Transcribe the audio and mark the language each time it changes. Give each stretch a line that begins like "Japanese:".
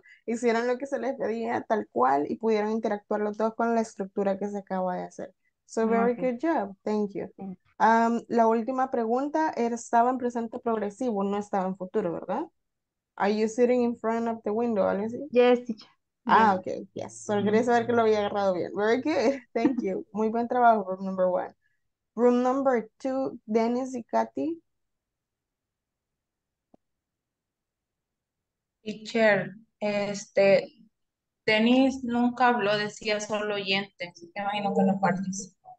Spanish: Hicieron lo que se les pedía tal cual y pudieron interactuar los dos con la estructura que se acaba de hacer.
English: So very good job. Thank you.
Spanish: La última pregunta estaba en presente progresivo, no estaba en futuro, ¿verdad?
English: Are you sitting in front of the window, Alice? Yes, teacher. Ah, okay. Yes.
Spanish: So regreso a ver que lo había agarrado bien.
English: Very good. Thank you.
Spanish: Muy buen trabajo,
English: room number one. Room number two, Dennis y Katy.
Spanish: Teacher, Denis nunca habló, decía solo oyente, me imagino que no participó.